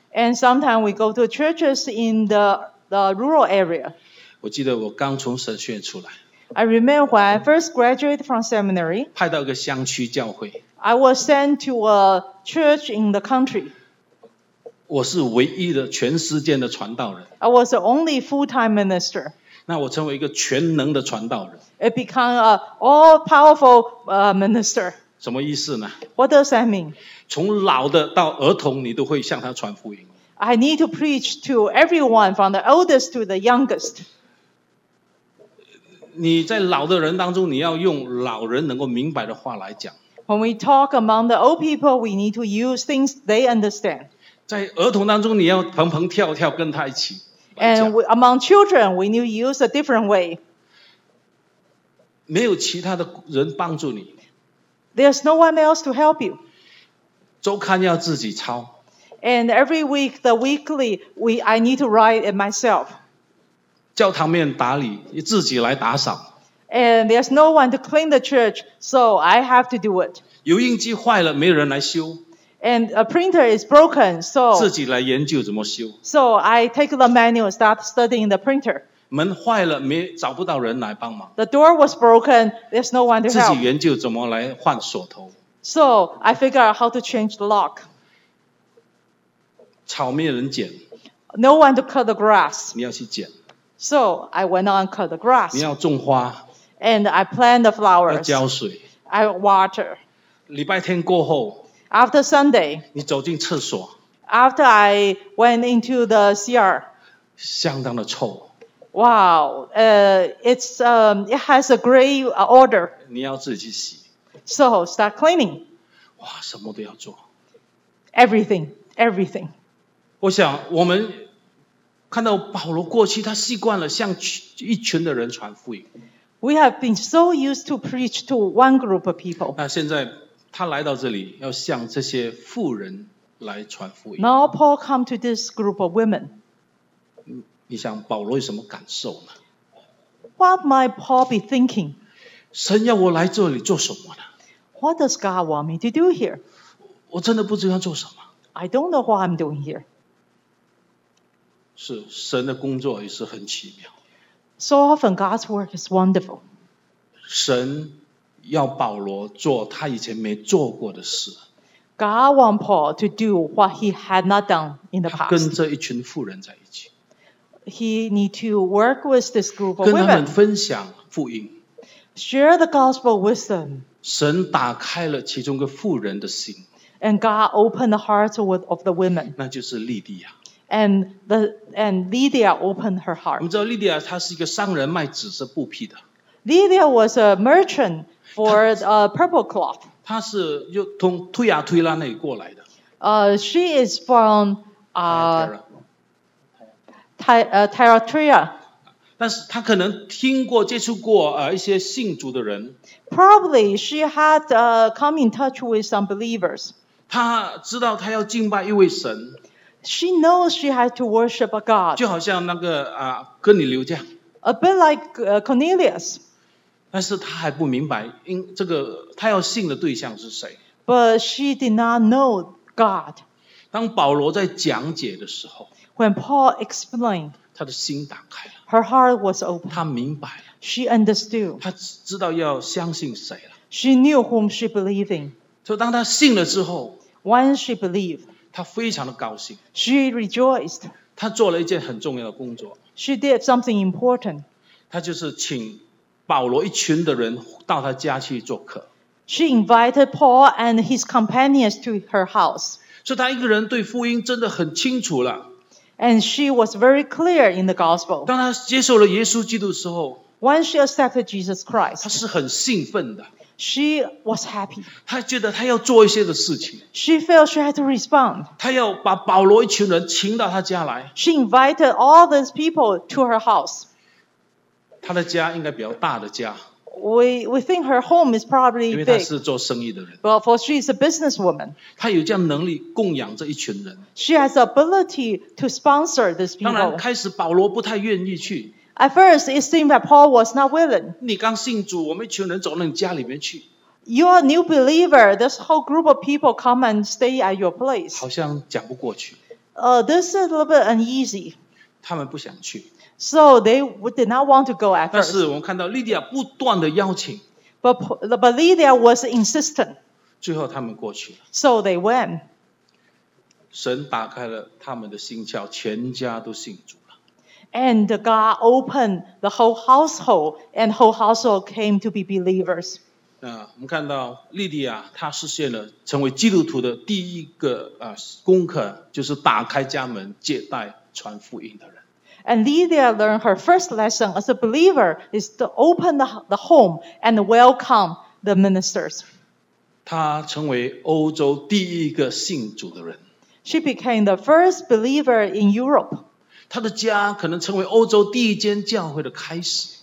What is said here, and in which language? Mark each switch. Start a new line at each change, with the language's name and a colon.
English: ？And sometimes we go to churches in the rural area.
Chinese: 我记得我刚从神学院出来。
English: I remember when I first graduated from seminary.
Chinese: 派到一个乡区教会。
English: I was sent to a church in the country.
Chinese: 我是唯一的全世界的传道人。
English: I was the only full-time minister.
Chinese: 那我成为一个全能的传道人。
English: It became an all-powerful minister.
Chinese: 什么意思呢？
English: What does that mean?
Chinese: 从老的到儿童，你都会向他传福音。
English: I need to preach to everyone from the oldest to the youngest.
Chinese: 你在老的人当中，你要用老人能够明白的话来讲。
English: When we talk among the old people, we need to use things they understand.
Chinese: 在儿童当中，你要蹦蹦跳跳跟他一起。
English: And among children, we need to use a different way.
Chinese: 没有其他的人帮助你。
English: There's no one else to help you.
Chinese: 周刊要自己抄。
English: And every week, the weekly, I need to write it myself.
Chinese: 教堂面打理，自己来打扫。
English: And there's no one to clean the church, so I have to do it.
Chinese: 油印机坏了，没人来修。
English: And a printer is broken, so
Chinese: 自己来研究怎么修。
English: So I take the manual and start studying the printer.
Chinese: 门坏了，没找不到人来帮忙。
English: The door was broken, there's no one to help.
Chinese: 自己研究怎么来换锁头。
English: So I figure out how to change the lock.
Chinese: 草没人剪。
English: No one to cut the grass.
Chinese: 你要去剪。
English: So I went on cut the grass.
Chinese: 你要种花。
English: And I plant the flowers.
Chinese: 要浇水。
English: I water.
Chinese: 礼拜天过后。
English: After Sunday.
Chinese: 你走进厕所。
English: After I went into the CR.
Chinese: 相当的臭。
English: Wow, it has a great odor.
Chinese: 你要自己去洗。
English: So start cleaning.
Chinese: 哇，什么都要做。
English: Everything, everything.
Chinese: 我想我们看到保罗过去他习惯了向一群的人传福音。
English: We have been so used to preach to one group of people.
Chinese: 那现在他来到这里要向这些妇人来传福音。
English: Now Paul come to this group of women.
Chinese: 你想保罗有什么感受呢？
English: What might Paul be thinking?
Chinese: 神要我来这里做什么呢？
English: What does God want me to do here?
Chinese: 我真的不知道做什么。
English: I don't know what I'm doing here.
Chinese: 是神的工作也是很奇妙。
English: So often God's work is wonderful.
Chinese: 神要保罗做他以前没做过的事。
English: God want Paul to do what he had not done in the past.
Chinese: 跟这一群妇人在一起。
English: He need to work with this group of women.
Chinese: 跟他们分享福音。
English: Share the gospel with them.
Chinese: 神打开了其中一个妇人的心。
English: And God opened the hearts of the women.
Chinese: 那就是利迪亚。
English: And Lydia opened her heart.
Chinese: 我们知道 Lydia 她是一个商人，卖紫色布匹的。
English: Lydia was a merchant for a purple cloth.
Chinese: 她是又从推亚推拉那里过来的。
English: She is from Tyatira.
Chinese: 但是她可能听过、接触过一些信主的人。
English: Probably she had come in touch with some believers.
Chinese: 她知道她要敬拜一位神。
English: She knows she has to worship a God.
Chinese: 就好像那个哥尼流这样。
English: A bit like Cornelius.
Chinese: 但是他还不明白，这个他要信的对象是谁。
English: But she did not know God.
Chinese: 当保罗在讲解的时候
English: ，When Paul explained,
Chinese: 他的心打开了。
English: Her heart was open.
Chinese: 他明白了。
English: She understood.
Chinese: 他知道要相信谁了。
English: She knew whom she believed in.
Chinese: 就当他信了之后
English: ，When she believed.
Chinese: 她非常的高兴。
English: She rejoiced.
Chinese: 她做了一件很重要的工作。
English: She did something important.
Chinese: 她就是请保罗一群的人到她家去做客。
English: She invited Paul and his companions to her house.
Chinese: 所以她一个人对福音真的很清楚了。
English: And she was very clear in the gospel.
Chinese: 当她接受了耶稣基督的时候
English: ，When she accepted Jesus Christ,
Chinese: 她是很兴奋的。
English: She was happy.
Chinese: 她觉得她要做一些的事情。
English: She felt she had to respond.
Chinese: 她要把保罗一群人请到她家来。
English: She invited all these people to her house.
Chinese: 她的家应该比较大的家。
English: We think her home is probably big.
Chinese: 因为她是做生意的人。
English: But for she is a businesswoman.
Chinese: 她有这样能力供养这一群人。
English: She has the ability to sponsor these people.
Chinese: 当然，开始保罗不太愿意去。
English: At first, it seemed that Paul was not willing.
Chinese: 你刚信主，我们一群人走到你家里面去。
English: You are a new believer. This whole group of people come and stay at your place.
Chinese: 好像讲不过去。
English: This is a little bit uneasy.
Chinese: 他们不想去。
English: So they did not want to go at first.
Chinese: 但是我们看到 Lydia 不断的邀请。
English: But Lydia was insistent.
Chinese: 最后他们过去了。
English: So they went.
Chinese: 神打开了他们的心窍，全家都信主。
English: And God opened the whole household, and whole household came to be believers.
Chinese: 我们看到莉莉亚她实现了成为基督徒的第一个功课，就是打开家门接待传福音的人。
English: And Lydia learned her first lesson as a believer is to open the home and welcome the ministers.
Chinese: 她成为欧洲第一个信主的人。
English: She became the first believer in Europe.
Chinese: 她的家可能成为欧洲第一间教会的开始。